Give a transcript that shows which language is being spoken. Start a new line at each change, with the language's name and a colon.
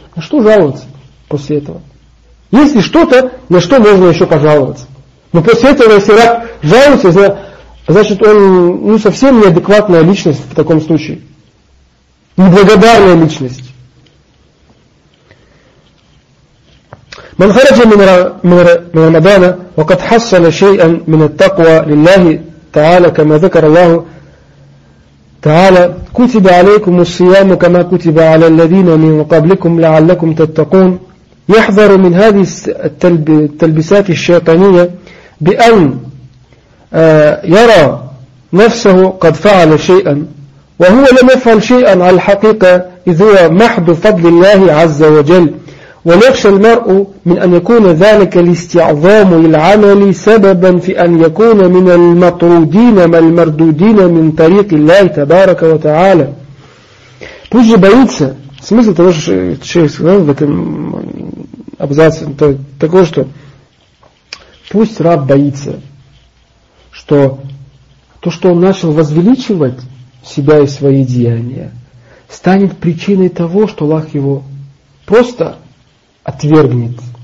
Russian: На что жаловаться после этого? Есть ли что-то, на что можно еще пожаловаться? Но после этого, если раб жалуется, значит он совсем неадекватная личность в таком случае. Неблагодарная личность.
Arabic: من خرج من رمضان وقد حصل شيئا من التقوى لله تعالى كما ذكر الله تعالى كتب عليكم الصيام كما كتب على الذين من قبلكم لعلكم تتقون يحذر من هذه التلبيسات الشيطانية بأن يرى نفسه قد فعل شيئا وهو لم يفعل شيئا على الحقيقة إذ هو محض فضل الله عز وجل ويخشى المرء من أن يكون ذلك الاستعظام للعمل سببا في أن يكون من المطرودين ما المردودين من طريق الله تبارك وتعالى.
Russian: Пусть же боится, в смысле того, что человек сказал в этом абзаце, того, что пусть раб боится, что то, что он начал возвеличивать себя и свои деяния, станет причиной того, что Аллах его просто отвергнет.